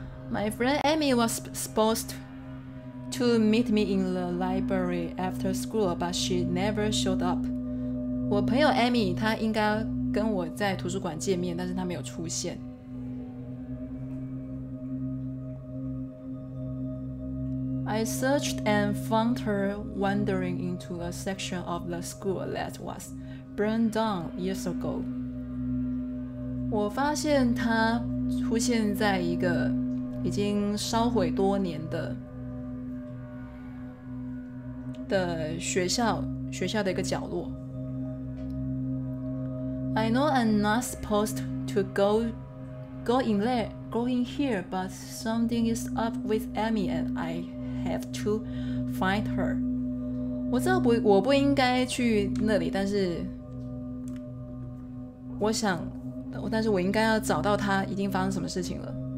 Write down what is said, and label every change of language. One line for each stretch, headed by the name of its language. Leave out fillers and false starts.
English: My friend Amy was supposed to meet me in the library after school, but she never showed up.
Chinese: 我朋友 Amy 她应该跟我在图书馆见面，但是她没有出现。
English: I searched and found her wandering into a section of the school that was burned down years ago.
Chinese: 我发现她出现在一个已经烧毁多年的学校的一个角落。
English: I know I'm not supposed to go in here, but something is up with Amy and I. Have to find her.
Chinese: 我知道我不应该去那里，但是我想，但是我应该要找到她，一定发生什么事情了。